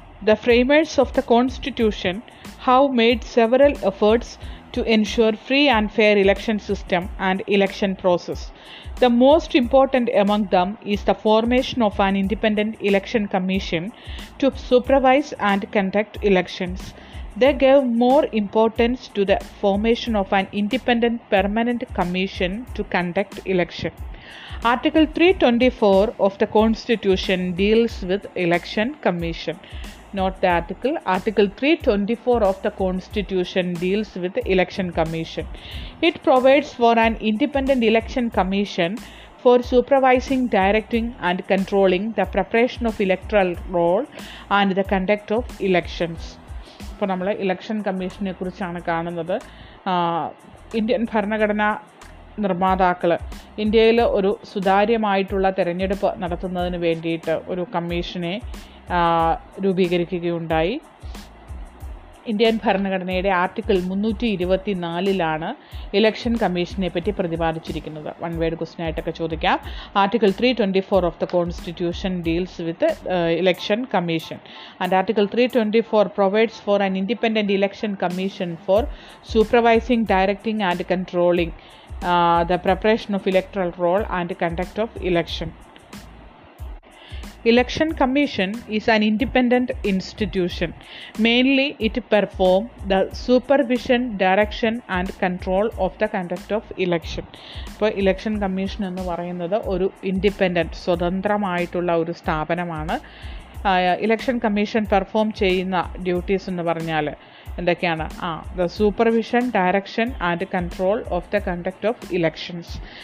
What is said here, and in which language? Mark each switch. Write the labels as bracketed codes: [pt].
[en] The framers of the constitution how made several efforts to ensure free and fair election system and election process. The most important among them is the formation of an independent election commission to supervise and conduct elections. They gave more importance to the formation of an independent permanent commission to conduct election. Article 324 of the Constitution deals with election commission. Not the article. Article 324 of the Constitution deals with election commission. It provides for an independent election commission for supervising, directing and controlling the preparation of electoral roll and the conduct of elections. [ml] ഇപ്പോൾ നമ്മൾ election കമ്മീഷനെ കുറിച്ചാണ് കാണുന്നത്. Indian ഭരണഘടനാ നിർമ്മാതാക്കൾ ഇന്ത്യയിൽ ഒരു സുതാര്യമായിട്ടുള്ള തിരഞ്ഞെടുപ്പ് നടത്തുന്നതിന് വേണ്ടിയിട്ട് ഒരു കമ്മീഷനെ രൂപീകരിക്കുകയുണ്ടായി. ഇന്ത്യൻ ഭരണഘടനയുടെ ആർട്ടിക്കിൾ 324 ഇലക്ഷൻ കമ്മീഷനെ പറ്റി പ്രതിപാദിച്ചിരിക്കുന്നത്. [en] one word question [ml] ആയിട്ടൊക്കെ ചോദിക്കാം. [en] Article 324 of the constitution deals with election commission. And article 324 provides for an independent election commission for supervising, directing and controlling the preparation of electoral roll and conduct of election. Election Commission is an independent institution. Mainly, it performs the supervision, direction and control of the conduct of election. [ml] ഇപ്പോൾ election commission എന്ന് പറയുന്നത് ഒരു independent, സ്വതന്ത്രമായിട്ടുള്ള ഒരു സ്ഥാപനമാണ്. Election commission perform ചെയ്യുന്ന duties എന്ന് പറഞ്ഞാൽ എന്തൊക്കെയാണ്? [en] The supervision, direction and control of the conduct of elections.